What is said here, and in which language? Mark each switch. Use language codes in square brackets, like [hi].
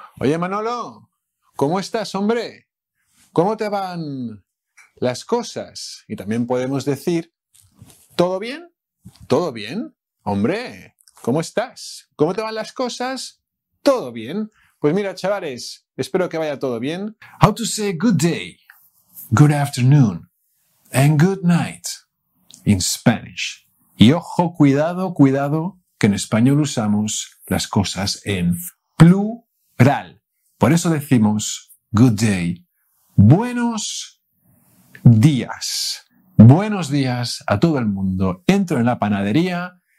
[es] Oye, Manolo, ¿cómo estás, hombre? ¿Cómo te van las cosas? Y también podemos decir, ¿todo bien? ¿Todo bien? Hombre, ¿cómo estás? ¿Cómo te van las cosas? ¿Todo bien? Pues mira, chavales, espero que vaya todo bien. [en] How to say good day, good afternoon, and good night in Spanish. [es] Y ojo, cuidado, cuidado, que en español usamos las cosas en plural. Por eso decimos [en] good day, [es] buenos días. Buenos días a todo el mundo. Entro en la panadería.